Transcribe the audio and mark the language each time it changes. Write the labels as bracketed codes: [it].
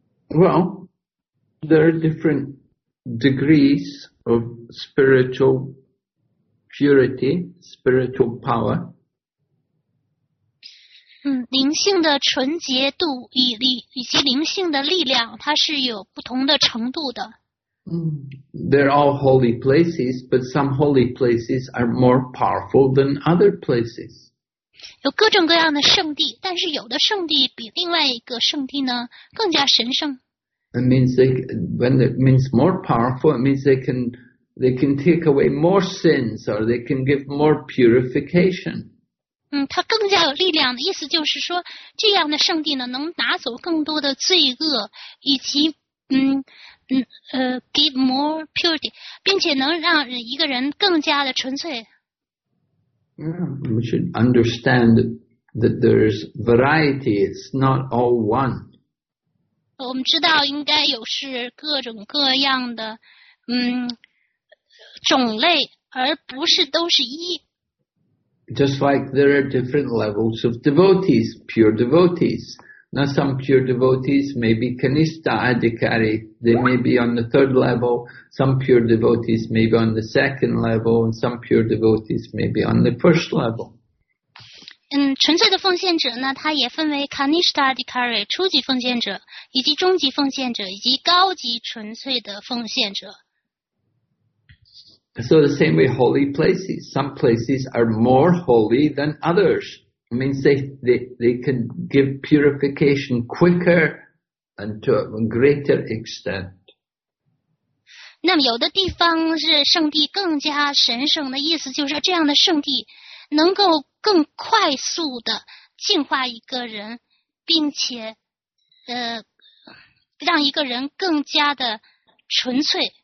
[en] Well, there are different degrees of spiritual purity, spiritual power. [zh] 灵性的纯洁度以及灵性的力量，它是有不同的程度的。 [en] They're all holy places, but some holy places are more powerful than other places. [zh] 有各种各样的圣地，但是有的圣地比另外一个圣地呢更加神圣。 [en] It means more powerful. It means They can take away more sins, or they can give more purification. [zh] 它更加有力量的意思就是说，这样的圣地呢，能拿走更多的罪恶，以及 [en] give more purity, [zh] 并且能让一个人更加的纯粹。 [en] Yeah, we should understand that there's variety. It's not all one. [zh] 我们知道应该有是各种各样的，种类，而不是都是一。 [en] Just like there are different levels of devotees, pure devotees. Now some pure devotees may be Kanishta Adhikari. They may be on the third level. Some pure devotees may be on the second level. And some pure devotees may be on the first level. [zh] 纯粹的奉献者呢，他也分为 Kanishta Adhikari, 初级奉献者，以及中级奉献者，以及高级纯粹的奉献者。 [en] So the same way, holy places. Some places are more holy than others. It means they can give purification quicker and to a greater extent. [zh] 那么有的地方是圣地更加神圣的意思，就是说这样的圣地能够更快速的净化一个人，并且让一个人更加的纯粹。